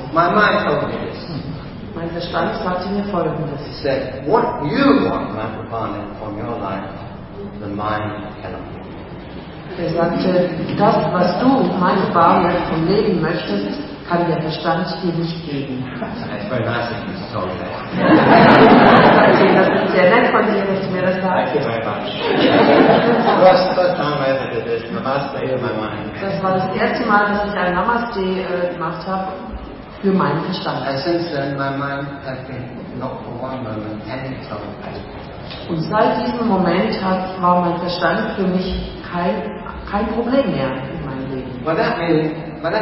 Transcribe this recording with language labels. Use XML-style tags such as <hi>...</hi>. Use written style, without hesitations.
<de>Mein Verstand sagte mir Folgendes. Er sagte, was du willst, Mahaprabhu, von deinem Leben, der Mind kann. Er sagte, das, was du, meine Bahne, vom Leben möchtest, kann der Verstand dir nicht geben.</de> <en>That's very nice of you to tell me that.</en> <de>Das ist sehr nett von dir, dass du mir das sagst.</de> <en>Thank you very much. First time I ever did this, Namaste in my mind.</en> <de>Das war das erste Mal, dass ich ein Namaste gemacht habe für meinen Verstand.</de> <en>And since then, my mind has been not for one moment any trouble.</en> <de>Und seit diesem Moment war mein Verstand für mich kein Problem mehr in meinem Leben.</de>